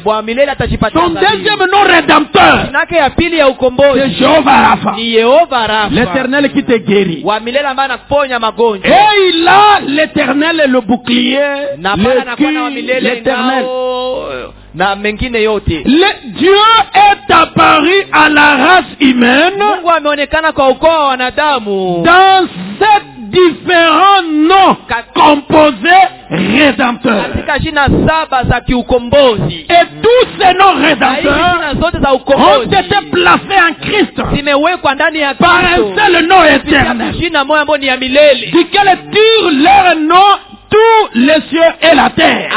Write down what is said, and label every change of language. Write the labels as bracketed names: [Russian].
[French] son deuxième nom rédempteur c'est Jéhovah Rapha. Jéhovah Rapha. L'éternel qui te guérit. Et il a l'éternel et le bouclier. L'éternel. [Swahili] Na mengine yote. [French] Le Dieu est apparu à la race humaine. [Swahili] Mungu ameonekana kwa ukoo wa wanadamu. [French] Dans cette différents noms composés rédempteurs. Et tous ces noms rédempteurs ont été placés en Christ par un seul nom éternel duquel tire leur nom tous les cieux et la terre.